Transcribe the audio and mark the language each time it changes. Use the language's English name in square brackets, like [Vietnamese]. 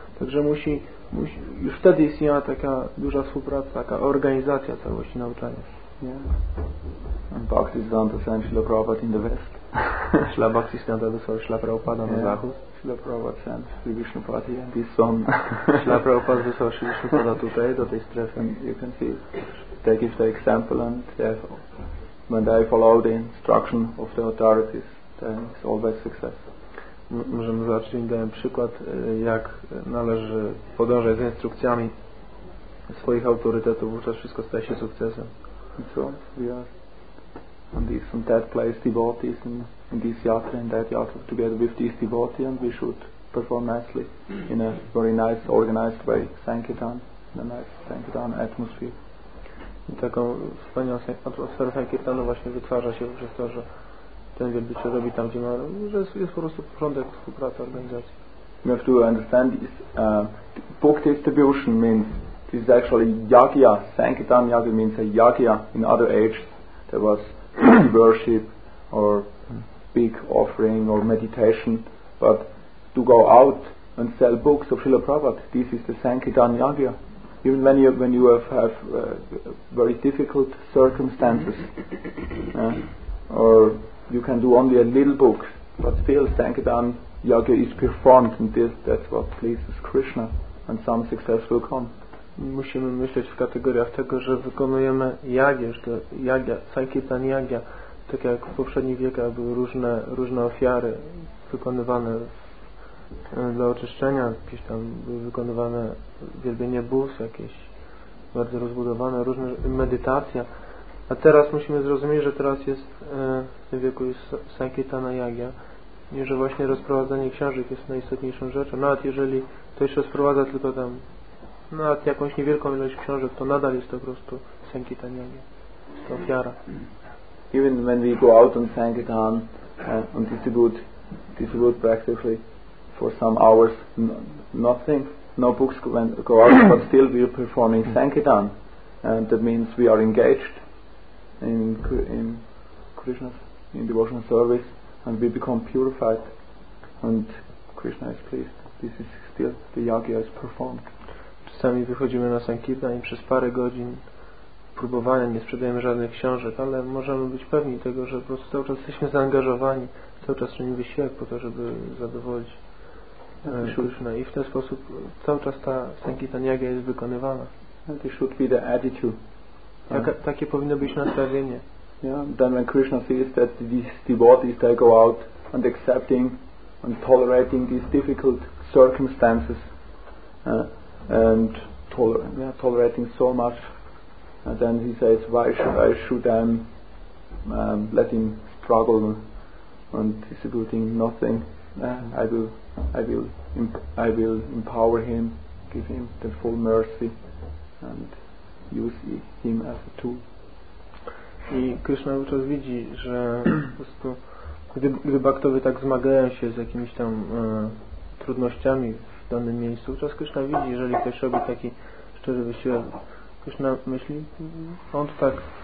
[Polish] Także musi już wtedy istniała taka duża współpraca, taka organizacja całości nauczania. [English] Bhakti Siddhanta sent Śrīla Prabhupāda in the West. [Polish] Śrīla Bhakti Siddhanta wysłał Śrīla Prabhupāda na zachód. [English] Śrīla Prabhupāda sent Śrī Viṣṇupāda and his son. [Polish] Śrīla Prabhupāda wysłał Śrī Viṣṇupāda tutaj, do tej strefy. [English] And you can see, they give the example, and therefore, when they follow the instruction of the authorities, then it's always success. [Polish] Możemy zobaczyć, dałem przykład, jak należy podążać z instrukcjami swoich autorytetów, wówczas wszystko staje się sukcesem. [English] So, yeah. And this and that place devotees in this yatra and that yatra together with this devotee, and we should perform nicely in a very nice organized way, Sankirtan, in a nice Sankirtan atmosphere. [Polish] I taką wspaniałą atmosferę Sankirtanu właśnie wytwarza się przez to, że ten wielbiciel robi tam, gdzie ma, że jest po prostu porządek współpracy organizacji. [English] We have to understand this book distribution means this is actually yagya. Sankirtan yagya means a yagya. In other ages there was worship or big offering or meditation, but to go out and sell books of Srila Prabhupada, this is the Sankirtan yagya. Even when you have very difficult circumstances, or you can do only a little book, but still Sankirtan yagya is performed, and that's what pleases Krishna, and some success will come. [Polish] Musimy myśleć w kategoriach tego, że wykonujemy jagię, że jagia, Sankirtan jagia, tak jak w poprzednich wiekach były różne ofiary wykonywane dla oczyszczenia, jakieś tam były wykonywane wielbienie bóz, jakieś bardzo rozbudowane, różne medytacja. A teraz musimy zrozumieć, że teraz jest w tym wieku jest Sankirtana jagia i że właśnie rozprowadzanie książek jest najistotniejszą rzeczą. Nawet jeżeli ktoś rozprowadza tylko tam nawet jakąś niewielką ilość książek, to nadal jest to po prostu Sankirtan yagya, jest to ofiara. [English] Even when we go out on Sankirtan and distribute practically for some hours nothing, no books go out, but still we are performing Sankirtan, and that means we are engaged in Krishna's in devotional service, and we become purified and Krishna is pleased. This is still the yagya is performed. [Polish] Sami wychodzimy na Sankirtan i przez parę godzin próbowania nie sprzedajemy żadnych książek, ale możemy być pewni tego, że po prostu cały czas jesteśmy zaangażowani, cały czas czynimy wysiłek po to, żeby zadowolić Krishna. I w ten sposób cały czas ta Sankirtan yagya jest wykonywana. [English] This should be the attitude. [Polish] Takie powinno być nastawienie. [English] Yeah. Then when Krishna sees that these devotees they go out and accepting and tolerating these difficult circumstances, and tolerating so much, and then he says, why should I shoot them, let him struggle and distributing nothing, I will empower him give him the full mercy and use him as a tool. [Polish] I Krishna wówczas widzi, że po prostu gdy baktowie tak zmagają się z jakimiś tam trudnościami w danym miejscu, wówczas Krishna widzi, jeżeli ktoś robi taki szczery wysiłek, Krishna myśli, on tak.